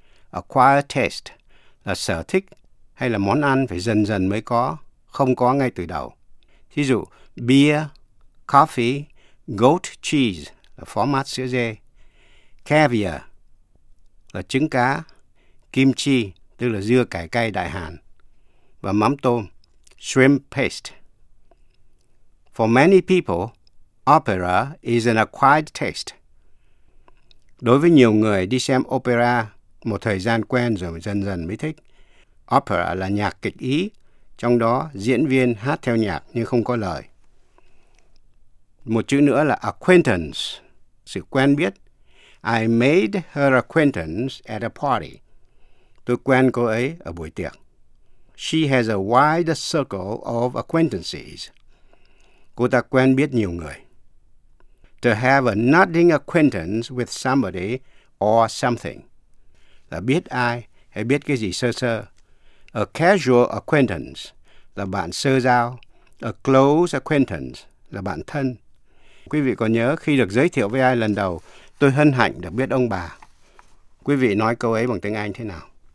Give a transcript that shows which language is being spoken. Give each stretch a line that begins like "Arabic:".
Vietnamese: Acquire taste là sở thích hay là món ăn phải dần dần mới có, không có ngay từ đầu. Thí dụ, beer, coffee, goat cheese là phó mát sữa dê. Caviar là trứng cá, kim chi tức là dưa cải cay Đại Hàn. Và mắm tôm, shrimp paste.
English: For many people, opera is an acquired taste.
Vietnamese: Đối với nhiều người đi xem opera một thời gian quen rồi dần dần mới thích. Opera là nhạc kịch Ý, trong đó diễn viên hát theo nhạc nhưng không có lời. Một chữ nữa là acquaintance, sự quen biết.
English: I made her acquaintance at a party.
Vietnamese: Tôi quen cô ấy ở buổi tiệc.
English: She has a wide circle of acquaintances.
Vietnamese: Cô ta quen biết nhiều người.
English: To have a nodding acquaintance with somebody or something.
Vietnamese: Là biết ai hay biết cái gì sơ sơ. A casual acquaintance là bạn sơ giao. A close acquaintance là bạn thân. Quý vị còn nhớ khi được giới thiệu với ai lần đầu, tôi hân hạnh được biết ông bà. Quý vị nói câu ấy bằng tiếng Anh thế nào?